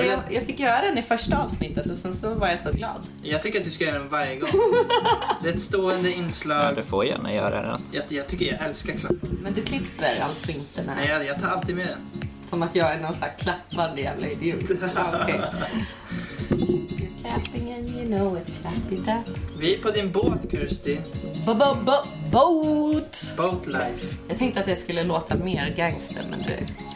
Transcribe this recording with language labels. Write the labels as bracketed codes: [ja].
[sv] Jag fick göra den i första avsnittet och sen så var jag så glad. Jag tycker att du ska göra den varje gång. Det är ett stående inslag. Ja, du får gärna göra den. Jag tycker jag älskar klappan. Men du klipper alltså inte när. Nej, jag tar alltid med den. Som att jag är någon sån här klappande jävla idiot. Okej. [en] Clapping and you know it, clap it up. [sv] Vi är på din båt, Kirsti. [en] Boat. Boat life. [sv] Jag tänkte att det skulle låta mer gangster, men du.